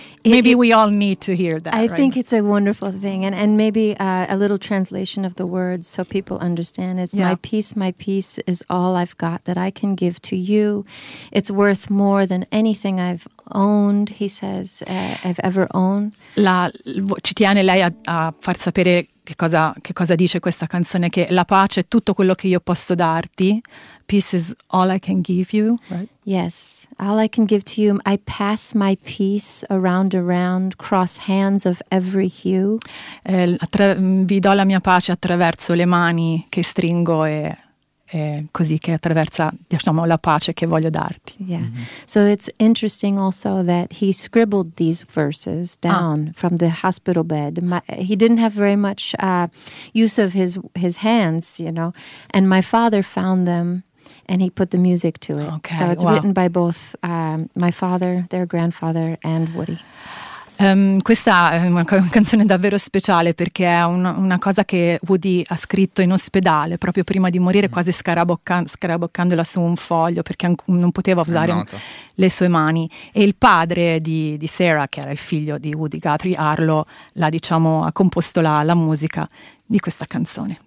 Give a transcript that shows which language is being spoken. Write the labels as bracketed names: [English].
[English] Maybe we all need to hear that. I think it's a wonderful thing, and maybe a little translation of the words so people understand. It's my peace is all I've got that I can give to you. It's worth more than anything I've owned, he says, I've ever owned. [Italian] Ci tiene lei a far sapere che cosa dice questa canzone, che la pace è tutto quello che io posso darti. [English] Peace is all I can give you, right? Yes. All I can give to you, I pass my peace around, cross hands of every hue. [Italian] Vi do la mia pace attraverso le mani che stringo e, così che attraversa, diciamo, la pace che voglio darti. [English] Yeah. Mm-hmm. So it's interesting also that he scribbled these verses down from the hospital bed. He didn't have very much use of his hands, you know, and my father found them. And he put the music to it. Okay, so it's written by both my father, their grandfather, and Woody. [Italian] Questa è una canzone davvero speciale perché è una cosa che Woody ha scritto in ospedale proprio prima di morire, quasi scaraboccandola su un foglio perché non poteva usare le sue mani. E il padre di Sarah, che era il figlio di Woody Guthrie, Arlo, ha composto la musica di questa canzone.